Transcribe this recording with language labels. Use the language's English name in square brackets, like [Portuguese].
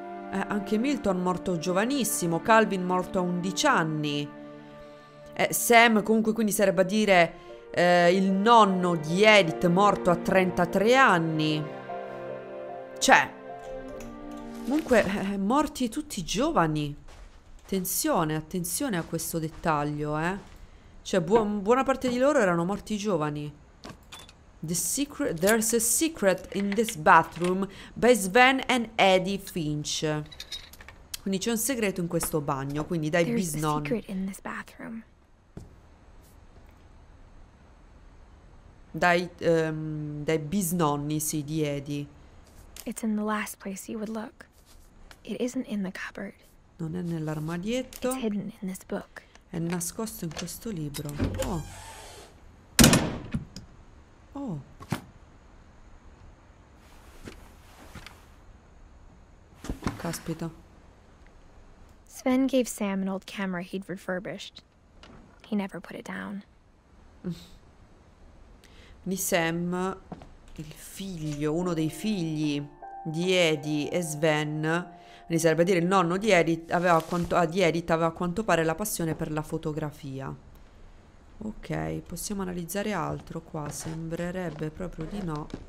[Italian] Anche Milton morto giovanissimo, Calvin morto a 11 anni, Sam comunque quindi sarebbe a dire il nonno di Edith morto a 33 anni, cioè comunque morti tutti giovani, attenzione a questo dettaglio, cioè buona parte di loro erano morti giovani. [English] The secret, there's a secret in this bathroom by Sven and Edie Finch. [Italian] Quindi c'è un segreto in questo bagno, quindi dai bisnonni. [English] There's a secret in this bathroom. [Italian] Dai bisnonni, sì, di Edie. [English] It's in the last place you would look. It isn't in the cupboard. [Italian] Non è nell'armadietto. [English] It's hidden in this book. [Italian] È nascosto in questo libro. Oh. Oh. Caspita. [English] Sven gave Sam an old camera he'd refurbished. He never put it down. [Italian] Quindi Sam, il figlio, uno dei figli di Edie e Sven, quindi sarebbe a dire il nonno di Edith, aveva a quanto pare la passione per la fotografia. Ok, possiamo analizzare altro qua, sembrerebbe proprio di no.